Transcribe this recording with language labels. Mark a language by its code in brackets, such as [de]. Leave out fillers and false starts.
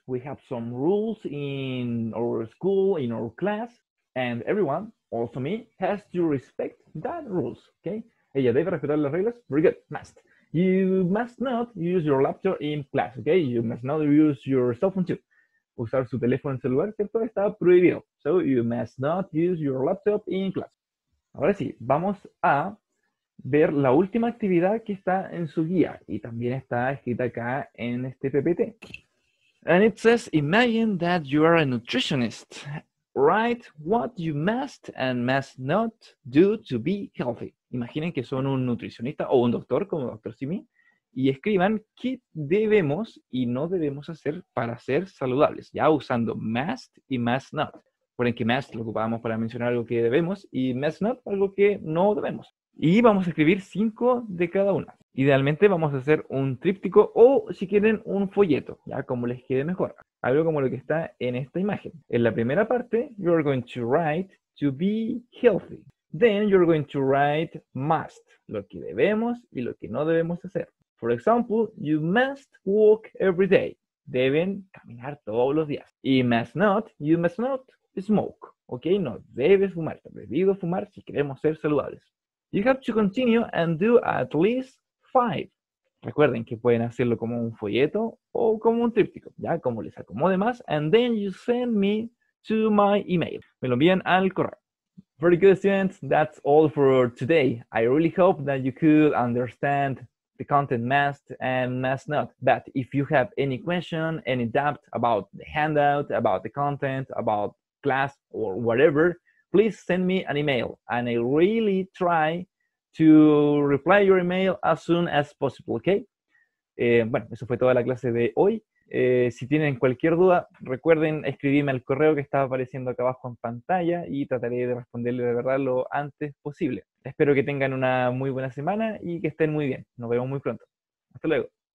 [en] We have some rules in our school, in our class, and everyone, also me, has to respect that rules, okay? [es] Ella debe respetar las reglas. [en] Very good, must. You must not use your laptop in class, okay? You must not use your cell phone too. [es] Usar su teléfono celular, ¿cierto? Está prohibido. [en] So you must not use your laptop in class. [es] Ahora sí, vamos a ver la última actividad que está en su guía y también está escrita acá en este PPT. [en] And it says, imagine that you are a nutritionist. Write what you must and must not do to be healthy. [es] Imaginen que son un nutricionista o un doctor como Dr. Simi y escriban qué debemos y no debemos hacer para ser saludables, ya usando must y must not. Por en que must lo ocupamos para mencionar algo que debemos y must not algo que no debemos. Y vamos a escribir 5 de cada una. Idealmente vamos a hacer un tríptico o, si quieren, un folleto, ya como les quede mejor. Algo como lo que está en esta imagen. En la primera parte, [en] you're going to write to be healthy. Then you're going to write must, [es] lo que debemos y lo que no debemos hacer. [en] For example, you must walk every day. [es] Deben caminar todos los días. [en] Y must not, you must not smoke. Ok, [es] no debes fumar. Está prohibido fumar si queremos ser saludables. [en] You have to continue and do at least 5. [es] Recuerden que pueden hacerlo como un folleto o como un tríptico, ya como les acomode más. [en] And then you send me to my email. [es] Me lo envían al correo. [en] Very good, students. That's all for today. I really hope that you could understand the content must and must not. But if you have any question, any doubt about the handout, about the content, about class or whatever, please send me an email and I really try to reply your email as soon as possible, okay? [es] Bueno, eso fue toda la clase de hoy. Si tienen cualquier duda, recuerden escribirme al correo que está apareciendo acá abajo en pantalla y trataré de responderle de verdad lo antes posible. Espero que tengan una muy buena semana y que estén muy bien. Nos vemos muy pronto. Hasta luego.